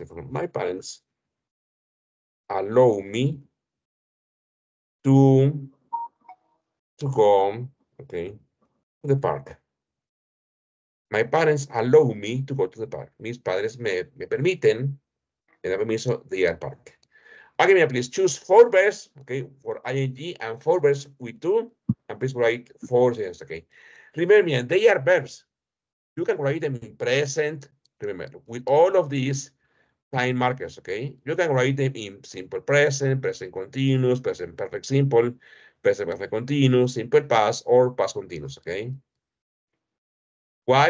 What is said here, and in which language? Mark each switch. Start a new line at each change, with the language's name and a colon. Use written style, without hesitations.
English: My parents allow me to go, okay, to the park. My parents allow me to go to the park.
Spanish: Mis padres me permiten, me da permiso de ir al parque.
English: Okay, please choose four verbs, okay, for ing and four verbs with to, and please write four sentences, okay. Remember, man, they are verbs. You can write them in present, remember, with all of these time markers, okay. You can write them in simple present, present continuous, present perfect simple, present perfect continuous, simple past, or past continuous, okay. Why?